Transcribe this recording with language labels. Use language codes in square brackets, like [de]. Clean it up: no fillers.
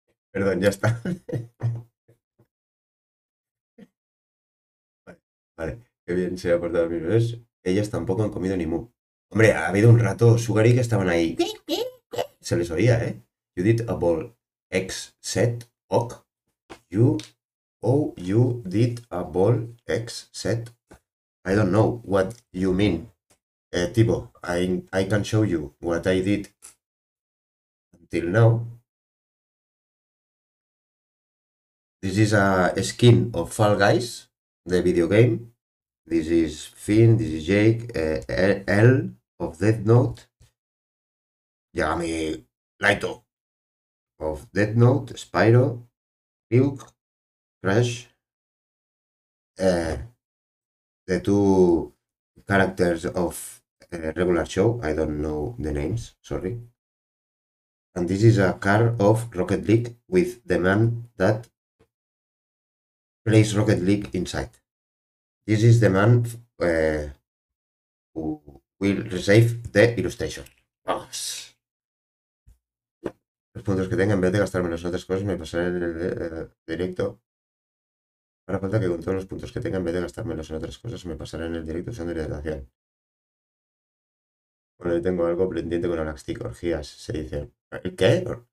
[es] Perdón, ya está. Vale, qué bien se ha portado mi bebés. Ellas tampoco han comido ni mu. Hombre, ha habido un rato Sugary que estaban ahí. Se les oía, ¿eh? Judith Abol, ex set, ok. [en] You, oh, you did a ball, ex set. I don't know what you mean. Tipo, I can show you what I did until now. This is a skin of Fall Guys. The video game. This is Finn, this is Jake, L of Death Note. Yagami Laito. Of Death Note, Spyro, Ryuk, Crash. The two characters of regular show. I don't know the names, sorry. And this is a car of Rocket League with the man that plays Rocket League inside. This is the man who will receive the illustration. [es] Vamos. Los puntos que tenga, en vez de gastarme las otras cosas, me pasaré en el directo. Ahora falta que con todos los puntos que tenga, en vez de gastarme las otras cosas, me pasaré en el directo usando la dirección. Bueno, yo tengo algo pendiente con Anaxtic, orgías, se dice. ¿El qué?